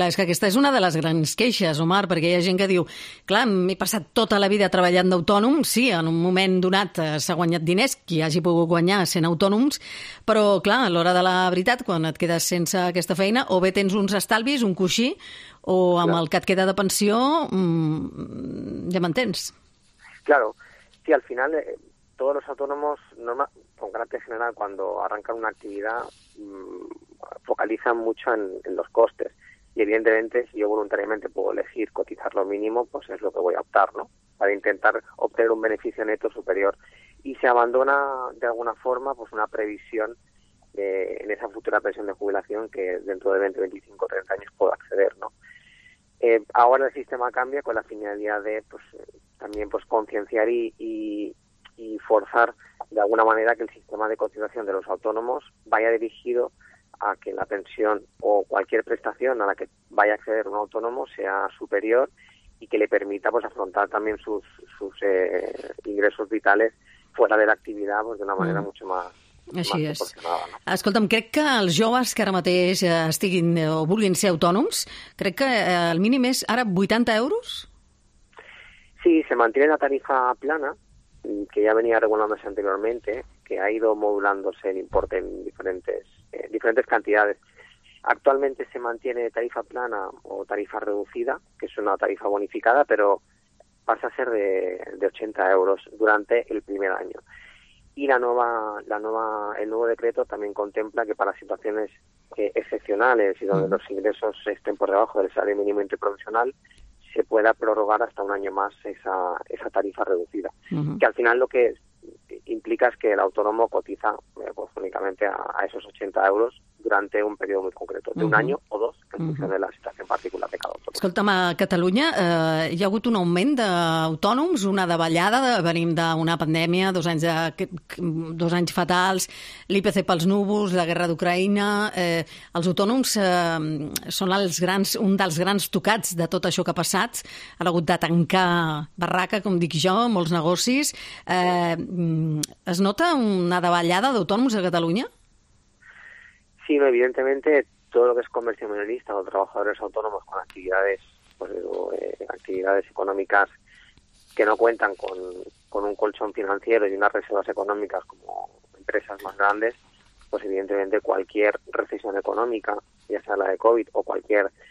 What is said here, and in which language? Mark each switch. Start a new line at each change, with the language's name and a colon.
Catalan: Clar, és que aquesta és una de les grans queixes, Omar, perquè hi ha gent que diu, clar, m'he passat tota la vida treballant d'autònom, sí, en un moment donat s'ha guanyat diners, qui hagi pogut guanyar sent autònoms, però, clar, a l'hora de la veritat, quan et quedes sense aquesta feina, o bé tens uns estalvis, un coixí, o amb clar. El que et queda de pensió, ja m'entens.
Spanish: Claro, sí, al final,
Catalan: tots els autònoms,
Spanish: con carácter general, quan arrancan una activitat, focalizan mucho en los costes y evidentemente si yo voluntariamente puedo elegir cotizar lo mínimo, pues es lo que voy a optar, ¿no? Para intentar obtener un beneficio neto superior y se abandona de alguna forma pues una previsión en esa futura pensión de jubilación que dentro de 20, 25, 30 años puedo acceder, ¿no? Ahora el sistema cambia con la finalidad de pues también pues concienciar y forzar de alguna manera que el sistema de cotización de los autónomos vaya dirigido a que la pensión o cualquier prestación a la que vaya a acceder un autónomo sea superior y que le permita pues afrontar también sus ingresos vitales fuera de la actividad pues de una manera mucho más.
Catalan: Així és. Escolta'm, crec que els joves que ara mateix estiguin o vulguin ser autònoms, crec que el mínim és ara 80 euros?
Spanish: Sí, se mantiene la tarifa plana, que ya venía regulándose anteriormente, que ha ido modulándose el importe en diferentes cantidades. Actualmente se mantiene tarifa plana o tarifa reducida, que es una tarifa bonificada, pero pasa a ser de 80 euros durante el primer año. Y el nuevo decreto también contempla que para situaciones excepcionales y donde los ingresos estén por debajo del salario mínimo interprofesional, se pueda prorrogar hasta un año más esa tarifa reducida. Que al final lo que implica es que el autónomo cotiza pues, únicamente a esos 80 euros durante un periodo muy concreto, de un año o dos, en función de la situación particular de cada autónomo.
Catalan: Escolta'm, a Catalunya hi ha hagut un augment d'autònoms, una davallada, venim d'una pandèmia, dos anys fatals, l'IPC pels núvols, la guerra d'Ucraïna... Els autònoms són un dels grans tocats de tot això que ha passat. Han hagut de tancar barraca, com dic jo, molts negocis. Es nota una davallada d'autònoms a Catalunya?
Spanish: Sí, no, evidentemente todo lo que es comercio minorista o trabajadores autónomos con actividades pues, actividades económicas que no cuentan con un colchón financiero y unas reservas económicas como empresas más grandes, pues evidentemente cualquier recesión económica, ya sea la de COVID o cualquier